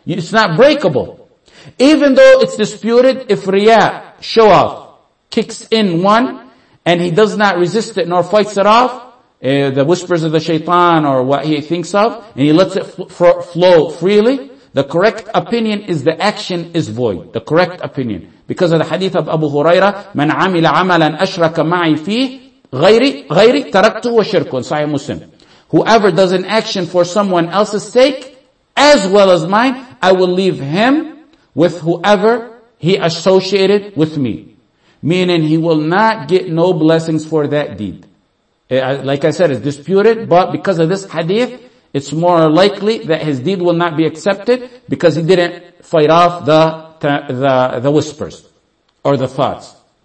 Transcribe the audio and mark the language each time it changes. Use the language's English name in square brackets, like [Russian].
[English] It's not breakable. Even though it's disputed, if riyah, show off, kicks in one and he does not resist it nor fights it off, the whispers of the shaitan or what he thinks of, and he lets it flow freely, the correct opinion is the action is void. The correct opinion. Because of the hadith of Abu Huraira, [Arabic] مَنْ عَمِلَ عَمَلًا أَشْرَكَ مَعِي فِيهِ غَيْرِ تَرَكْتُ وَشِرْكُ صحيح مسلم. [English] Whoever does an action for someone else's sake, as well as mine, I will leave him with whoever he associated with me. Meaning he will not get no blessings for that deed. Like I said, it's disputed, but because of this hadith, it's more likely that his deed will not be accepted because he didn't fight off the whispers or the thoughts.